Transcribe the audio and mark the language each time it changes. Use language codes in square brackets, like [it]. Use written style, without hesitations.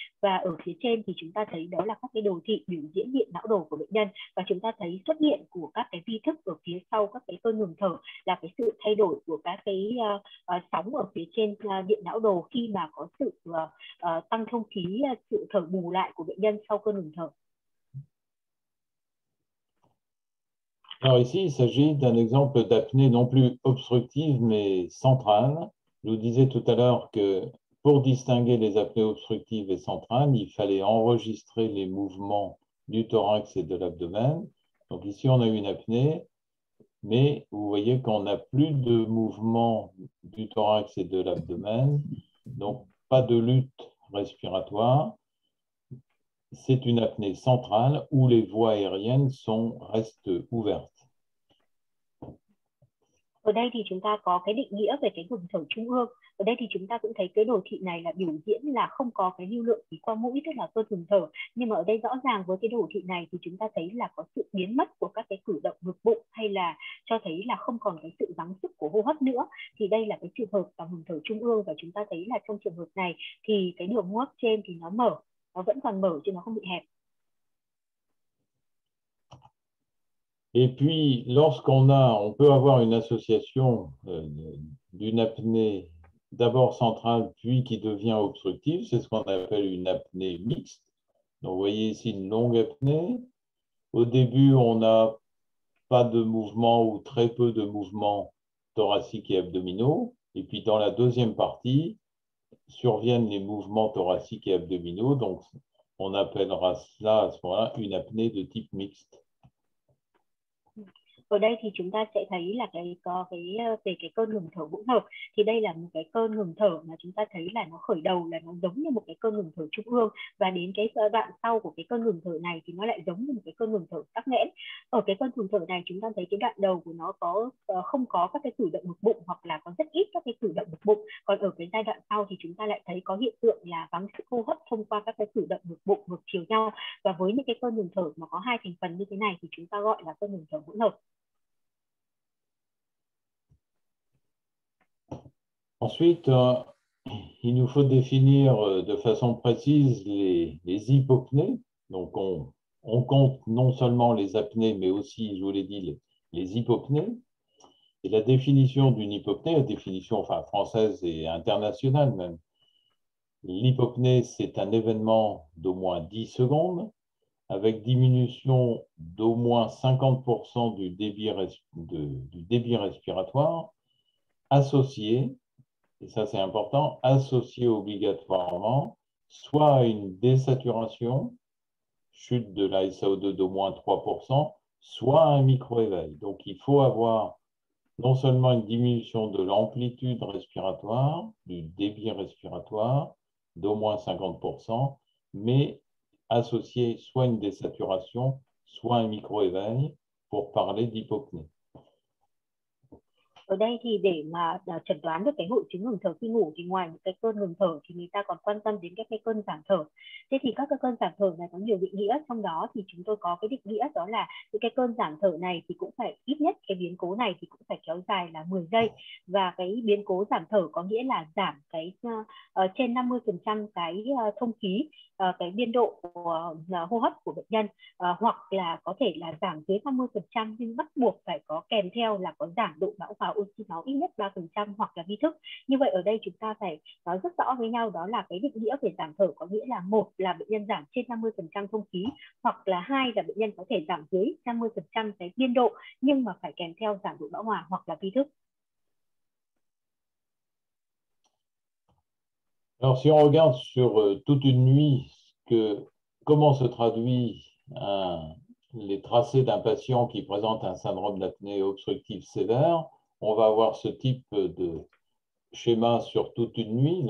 [vi] Và ở phía trên thì chúng ta thấy đó là các cái đồ thị biểu diễn điện não đồ của bệnh nhân, và chúng ta thấy xuất hiện của các cái vi thức ở phía sau các cái cơn ngừng thở là cái sự thay đổi của các cái sóng ở phía trên điện não đồ khi mà có sự tăng thông khí, sự thở bù lại của bệnh nhân sau cơn ngừng thở. [fr] Alors ici, il s'agit d'un exemple d'apnée non plus obstructive mais centrale. Je vous disais tout à l'heure que pour distinguer les apnées obstructives et centrales, il fallait enregistrer les mouvements du thorax et de l'abdomen. Donc ici, on a une apnée, mais vous voyez qu'on n'a plus de mouvements du thorax et de l'abdomen, donc pas de lutte respiratoire. C'est une apnée centrale où les voies aériennes restent ouvertes. [vi] Ở đây thì chúng ta có cái định nghĩa về cái ngừng thở trung ương. Ở đây thì chúng ta cũng thấy cái đồ thị này là biểu diễn là không có cái lưu lượng khí qua mũi, tức là cơn ngừng thở. Nhưng mà ở đây rõ ràng với cái đồ thị này thì chúng ta thấy là có sự biến mất của các cái cử động ngực bụng, hay là cho thấy là không còn cái sự gắng sức của hô hấp nữa. Thì đây là cái trường hợp là ngừng thở trung ương, và chúng ta thấy là trong trường hợp này thì cái đường hô hấp trên thì nó vẫn còn mở chứ nó không bị hẹp. [fr] Et puis, on peut avoir une association d'une apnée d'abord centrale, puis qui devient obstructive. C'est ce qu'on appelle une apnée mixte. Donc, vous voyez ici une longue apnée. Au début, on a pas de mouvement ou très peu de mouvements thoraciques et abdominaux. Et puis dans la deuxième partie, surviennent les mouvements thoraciques et abdominaux. Donc on appellera ça à ce moment-là une apnée de type mixte. [vi] Ở đây thì chúng ta sẽ thấy là cái có cái về cái cơn ngừng thở hỗn hợp, thì đây là một cái cơn ngừng thở mà chúng ta thấy là nó khởi đầu là nó giống như một cái cơn ngừng thở trung ương, và đến cái giai đoạn sau của cái cơn ngừng thở này thì nó lại giống như một cái cơn ngừng thở tắc nghẽn. Ở cái cơn ngừng thở này chúng ta thấy cái đoạn đầu của nó có không có các cái cử động ngực bụng hoặc là có rất ít các cái cử động ngực bụng, còn ở cái giai đoạn sau thì chúng ta lại thấy có hiện tượng là vắng sự hô hấp thông qua các cái cử động ngực bụng ngược chiều nhau. Và với những cái cơn ngừng thở mà có hai thành phần như thế này thì chúng ta gọi là cơn ngừng thở hỗn hợp. [fr] Ensuite, il nous faut définir de façon précise les hypopnées. Donc, on compte non seulement les apnées, mais aussi, je vous l'ai dit, les hypopnées. Et la définition d'une hypopnée, la définition enfin, française et internationale même, l'hypopnée, c'est un événement d'au moins 10 secondes, avec diminution d'au moins 50% du débit respiratoire associé. Et ça, c'est important, associé obligatoirement soit à une désaturation, chute de la SAO2 d'au moins 3%, soit à un micro-éveil. Donc, il faut avoir non seulement une diminution de l'amplitude respiratoire, du débit respiratoire d'au moins 50%, mais associé soit à une désaturation, soit à un micro-éveil pour parler d'hypopnée. [vi] Ở đây thì để mà chẩn đoán được cái hội chứng ngừng thở khi ngủ thì ngoài những cái cơn ngừng thở thì người ta còn quan tâm đến các cái cơn giảm thở. Thế thì các cái cơn giảm thở này có nhiều định nghĩa, trong đó thì chúng tôi có cái định nghĩa đó là những cái cơn giảm thở này thì cũng phải ít nhất cái biến cố này thì cũng phải kéo dài là 10 giây. Và cái biến cố giảm thở có nghĩa là giảm cái trên 50% cái thông khí, cái biên độ của hô hấp của bệnh nhân, hoặc là có thể là giảm dưới 50% nhưng bắt buộc phải có kèm theo là có giảm độ bão hòa oxy máu ít nhất 3% hoặc là vi thức. Như vậy ở đây chúng ta phải nói rất rõ với nhau đó là cái định nghĩa về giảm thở có nghĩa là một là bệnh nhân giảm trên 50% thông khí, hoặc là hai là bệnh nhân có thể giảm dưới 50% cái biên độ nhưng mà phải kèm theo giảm độ bão hòa hoặc là vi thức. [fr] Alors, si on regarde sur toute une nuit, comment se traduit les tracés d'un patient qui présente un syndrome d'apnée obstructive sévère, on va avoir ce type de schéma sur toute une nuit.